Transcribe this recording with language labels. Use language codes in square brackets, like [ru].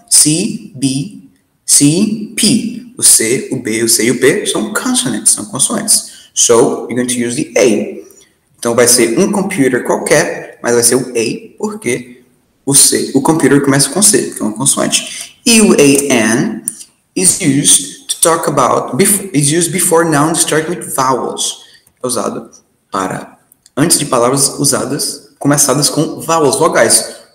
[pt] C, B, C, P. O C, o B, o C e o P são consonantes, são consoantes. [en] So, you're going to use the A. [pt] Então, vai ser um computer qualquer, mas vai ser o A, porque o C, o computer começa com C, que é uma consoante. [en] E o AN is used to talk about, is used before nouns starting with vowels. [pt] É usado para, antes de palavras usadas, começadas com vowels, vogais.